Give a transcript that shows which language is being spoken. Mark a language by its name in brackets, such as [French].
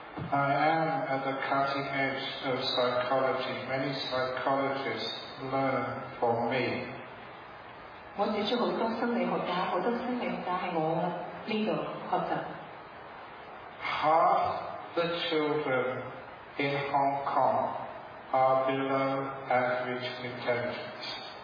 [English] I am at the cutting edge of psychology. Many psychologists learn from me. [Cantonese] 我接觸好多心理學家，好多心理學家喺我呢度學習。Half [English] the children in Hong Kong are below average intelligence.